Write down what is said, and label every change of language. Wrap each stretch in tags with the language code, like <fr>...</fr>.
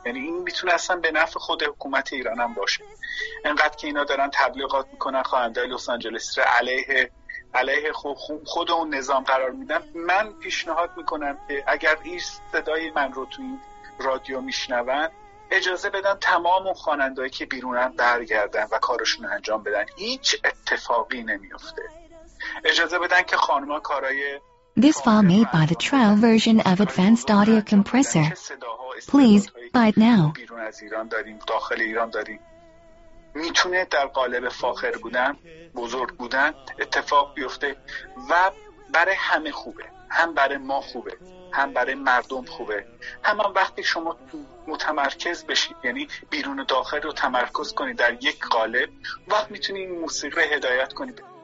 <fa>یعنی این میتونه اصلا به نفع خود حکومت ایران هم باشه، انقدر که اینا دارن تبلیغات میکنن خواننده لس آنجلس رو علیه خود اون نظام قرار میدم. من پیشنهاد میکنم که اگر این صدای من رو تو این رادیو میشنون، اجازه بدن تمام اون خواننده‌ای که بیرونن برگردن و کارشون انجام بدن، هیچ اتفاقی نمیفته. اجازه بدن که خانما کارای</fa> <en>This file made by the trial version of Advanced Audio Compressor. Please buy it now.</en> <fa>بیرون از ایران داریم، داخل ایران داریم، میتونه در قالب فاخر بودن، بزرگ بودن اتفاق بیفته و برای همه خوبه، هم برای ما خوبه، هم برای مردم خوبه. همان وقتی شما متمرکز بشید، یعنی بیرون و داخل رو تمرکز کنید در یک قالب، وقت میتونید موسیقی رو هدایت کنید.</fa>